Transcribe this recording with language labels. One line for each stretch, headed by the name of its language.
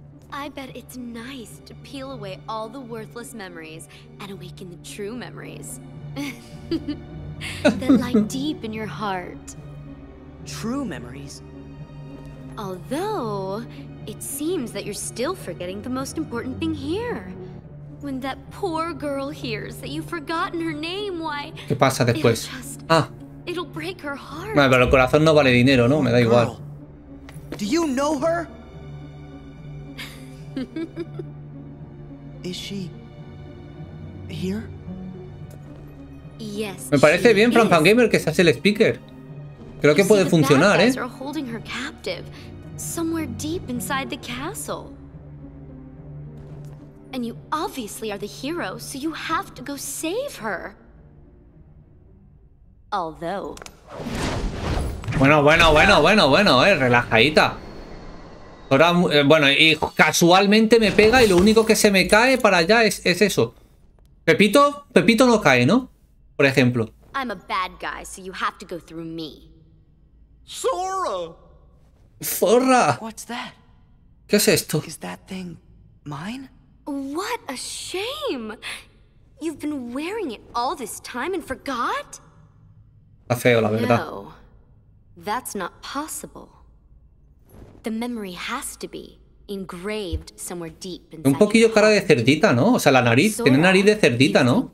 English: I bet it's nice to peel away all the worthless memories and awaken the true memories that lie deep in your heart. True memories. Although it seems that you're still forgetting the most important thing here. When that poor girl hears that you've forgotten her name, why?
Spanish: ¿Qué pasa después?
English: It'll break her heart.
Spanish: Vale, pero el corazón no vale dinero, ¿no? Me da igual.
English: Girl, do you know her? Is she here? Yes.
Spanish: Me parece bien, Franfan Gamer, que seas el speaker. Creo que puede funcionar, ¿eh?
English: Are holding her captive somewhere deep inside the castle. And you obviously are the hero, so you have to go save her.
Spanish: Although. Bueno, relajadita. Ahora, bueno, y casualmente me pega y lo único que se me cae para allá es eso. Pepito no cae, ¿no? Por ejemplo.
English: I'm a bad guy, so you have to go through me.
Spanish: Zorro. Zorra.
English: What's that?
Spanish: ¿Qué es esto?
English: Is that thing mine? What a shame. You've been wearing it all this time and forgot?
Spanish: Está feo, la verdad.
English: No, that's not possible. The memory has to be engraved somewhere deep inside.
Spanish: Un poquillo cara de cerdita, ¿no? O sea, la nariz, Zora, tiene nariz de cerdita, ¿no?